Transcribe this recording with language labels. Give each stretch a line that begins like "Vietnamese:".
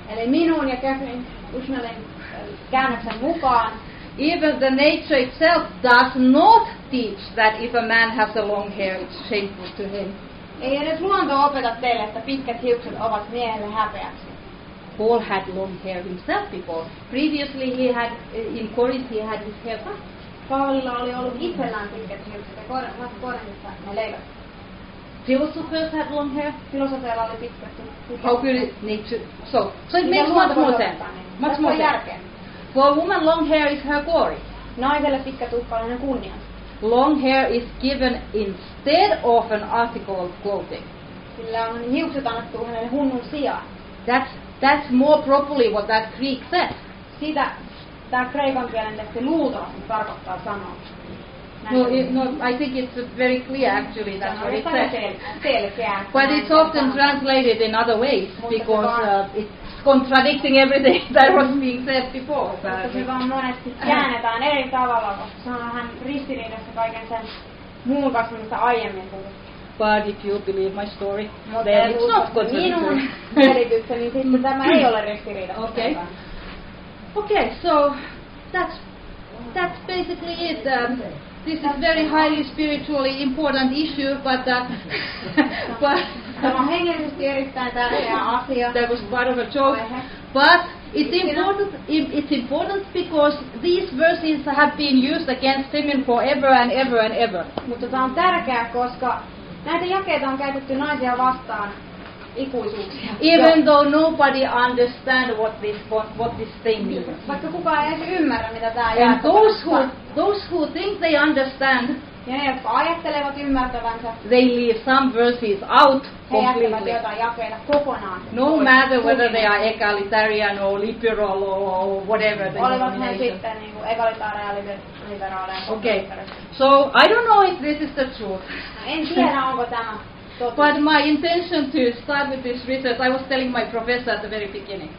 Finnish: Eli minun ja Catherine Bushnellin käännöksen mukaan.
English: Even the nature itself does not teach that if a man has a long hair, it's shameful to him.
Finnish: Ei edes luonto opeta teille, että pitkät hiukset ovat miehelle häpeäksi.
English: Paul had long hair himself before. Previously he had, in Corinth he had his hair cut.
Finnish: Paulilla oli ollut itsellään pitkät hiukset, ja Korinthissa ne leikattiin.
English: Philosophers had long hair.
Finnish: Filosofeilla oli pitkät.
English: How could it need to... So it makes much more sense. Much more
Finnish: järkeä.
English: For a woman, long hair is her glory.
Finnish: Naiselle pitkä tukka on hänen kunniansa.
English: Long hair is given instead of an article of clothing.
Finnish: Sillä on hiukset annettu hänen hunnun sijaan.
English: That's more properly what that Greek says.
Finnish: Siitä tämä kreikan kielen teksti luultavasti tarkoittaa sanoa.
English: No, I think it's very clear actually that what it says.
Finnish: Selkeä.
English: But it's often translated in other ways because it's contradicting everything that was being said before.
Finnish: Mutta se vaan monesti käännetään eri tavalla, koska se on vähän ristiriidassa kaiken sen muun kanssa, mitä aiemmin tullut.
English: But if you believe my story, then it's not good.
Finnish: Minun selitykseni sitten tämä ei ole ristiriita.
English: Okay. Okay, so that's basically it. This is very highly spiritually important issue, but
Finnish: tämä on hengellisesti erittäin tärkeä asia.
English: That was part of a joke. But it's important because these verses have been used against women forever and ever and ever.
Finnish: Mutta tämä on tärkeää, koska näitä jakeita on käytetty naisia vastaan ikuisuuksia.
English: Even though nobody understands what this thing means.
Finnish: Vaikka kukaan ei ymmärrä, mitä tämä jää.
English: And those who think they understand.
Finnish: Ja ne, jotka ajattelevat ymmärtävänsä.
English: They leave some verses out completely.
Finnish: He jättävät jotain jakeita kokonaan.
English: No matter whether they are egalitarian or liberal or whatever.
Finnish: Olivat ne sitten niin kuin egalitaria, liberaaleja.
English: Okay. So I don't know if this is the truth.
Finnish: En tiedä, onko tämä.
English: But my intention to start with this research, I was telling my professor at the very beginning.